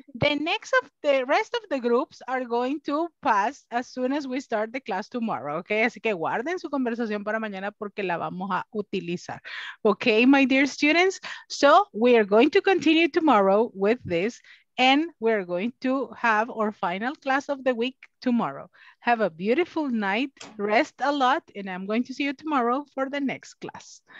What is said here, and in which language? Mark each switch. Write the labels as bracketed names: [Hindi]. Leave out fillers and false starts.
[English] The rest of the groups are going to pass as soon as we start the class tomorrow. Okay. [Spanish] Así que guarden su conversación para mañana porque la vamos a utilizar. [English] Okay, my dear students. So we are going to continue tomorrow with this. And we're going to have our final class of the week tomorrow. Have a beautiful night, rest a lot, and I'm going to see you tomorrow for the next class.